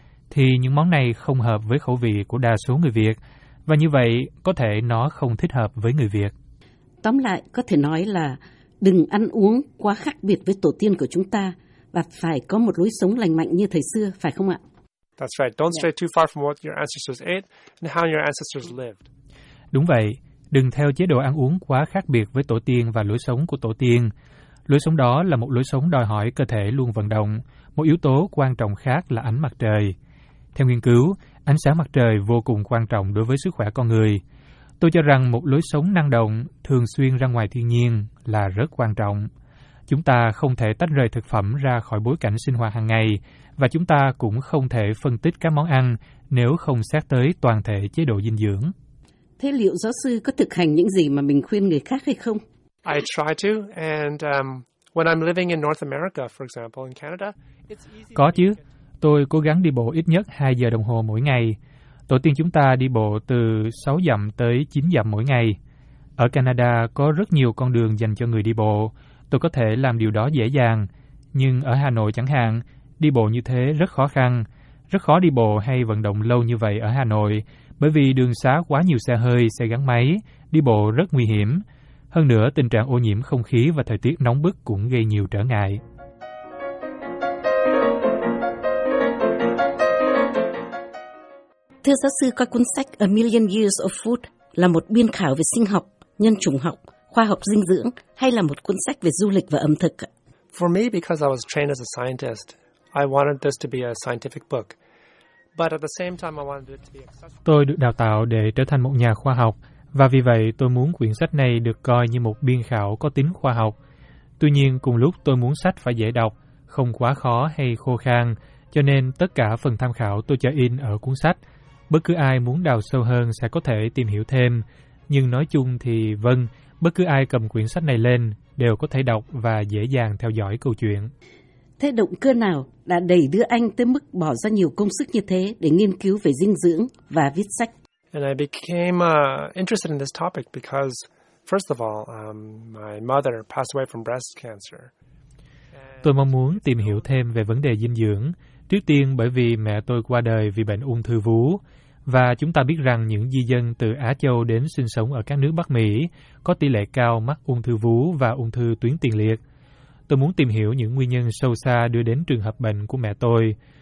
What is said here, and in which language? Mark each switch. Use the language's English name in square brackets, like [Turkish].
[Vietnamese] Thì những món này không hợp với khẩu vị của đa số người Việt, và như vậy có thể nó không thích hợp với người Việt. Tóm lại, có thể nói là đừng ăn uống quá khác biệt với tổ tiên của chúng ta, và phải có một lối sống lành mạnh như thời xưa, phải không ạ? [English] That's right. Don't stray too far from what your ancestors ate and how your ancestors lived. [Vietnamese] Đúng vậy. Đừng theo chế độ ăn uống quá khác biệt với tổ tiên và lối sống của tổ tiên. Lối sống đó là một lối sống đòi hỏi cơ thể luôn vận động. Một yếu tố quan trọng khác là ánh mặt trời. Theo nghiên cứu, ánh sáng mặt trời vô cùng quan trọng đối với sức khỏe con người. Tôi cho rằng một lối sống năng động, thường xuyên ra ngoài thiên nhiên là rất quan trọng. Chúng ta không thể tách rời thực phẩm ra khỏi bối cảnh sinh hoạt hàng ngày, và chúng ta cũng không thể phân tích các món ăn nếu không xét tới toàn thể chế độ dinh dưỡng. Thế liệu giáo sư có thực hành những gì mà mình khuyên người khác hay không? [English] I try to, and when I'm living in North America, for example, in Canada, it's easy. [Vietnamese] Có chứ. Tôi cố gắng đi bộ ít nhất 2 giờ đồng hồ mỗi ngày. Tổ tiên chúng ta đi bộ từ 6 dặm tới 9 dặm mỗi ngày. Ở Canada có rất nhiều con đường dành cho người đi bộ. Tôi có thể làm điều đó dễ dàng. Nhưng ở Hà Nội chẳng hạn, đi bộ như thế rất khó khăn. Rất khó đi bộ hay vận động lâu như vậy ở Hà Nội, bởi vì đường xá quá nhiều xe hơi, xe gắn máy, đi bộ rất nguy hiểm. Hơn nữa, tình trạng ô nhiễm không khí và thời tiết nóng bức cũng gây nhiều trở ngại. Thưa giáo sư, qua cuốn sách A Million Years of Food là một biên khảo về sinh học, nhân chủng học, khoa học dinh dưỡng hay là một cuốn sách về du lịch và ẩm thực? [English] For me, because I was trained as a scientist, I wanted this to be a scientific book. But at the same time, I wanted it to be accessible. [Vietnamese] Tôi được đào tạo để trở thành một nhà khoa học, và vì vậy tôi muốn quyển sách này được coi như một biên khảo có tính khoa học. Tuy nhiên, cùng lúc tôi muốn sách phải dễ đọc, không quá khó hay khô khan, cho nên tất cả phần tham khảo tôi cho in ở cuốn sách. Bất cứ ai muốn đào sâu hơn sẽ có thể tìm hiểu thêm. Nhưng nói chung thì vâng, bất cứ ai cầm quyển sách này lên đều có thể đọc và dễ dàng theo dõi câu chuyện. Thế động cơ nào đã đẩy đưa anh tới mức bỏ ra nhiều công sức như thế để nghiên cứu về dinh dưỡng và viết sách? [English] And I became interested in this topic because, first of all, my mother passed away from breast cancer. [Vietnamese] Tôi mong muốn tìm hiểu thêm về vấn đề dinh dưỡng. Trước tiên bởi vì mẹ tôi qua đời vì bệnh ung thư vú, và chúng ta biết rằng những di dân từ Á Châu đến sinh sống ở các nước Bắc Mỹ có tỷ lệ cao mắc ung thư vú và ung thư tuyến tiền liệt. Tôi muốn tìm hiểu những nguyên nhân sâu xa đưa đến trường hợp bệnh của mẹ tôi.